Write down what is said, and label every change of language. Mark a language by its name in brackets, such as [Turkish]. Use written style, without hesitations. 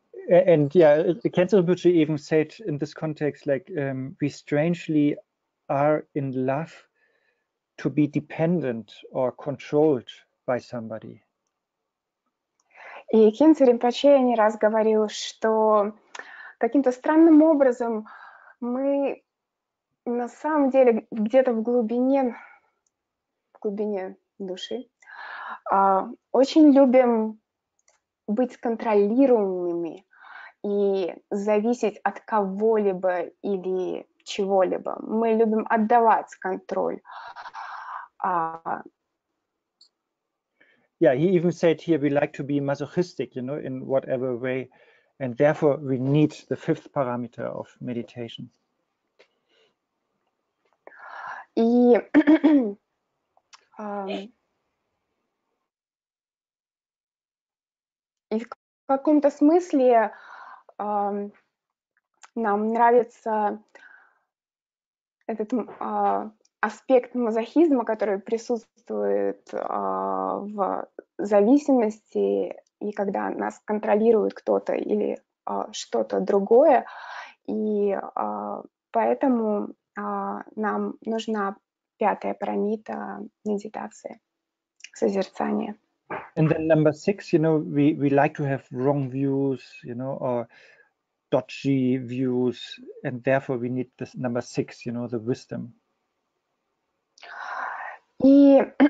[English] And yeah, Kensho Buchi even said in this context, like, we strangely are in love to be dependent or controlled by somebody. [Russian] И Кенсо Ринпоче не раз говорил, что каким-то странным образом мы на самом деле где-то в глубине души очень любим быть контролируемыми и зависеть от кого-либо или чего-либо. Мы любим отдавать контроль. [English] Yeah, he even said here we like to be masochistic, you know, in whatever way, and therefore we need the fifth parameter of meditation. [Russian] И в каком-то смысле нам нравится этот аспект мазохизма, который присутствует в зависимости, и когда нас контролирует кто-то или что-то другое, и поэтому нам нужна пятая парамита медитации, созерцания. [English] And then number six, you know, we like to have wrong views, you know, or dodgy views, and therefore we need this number six, you know, the wisdom. [Russian] И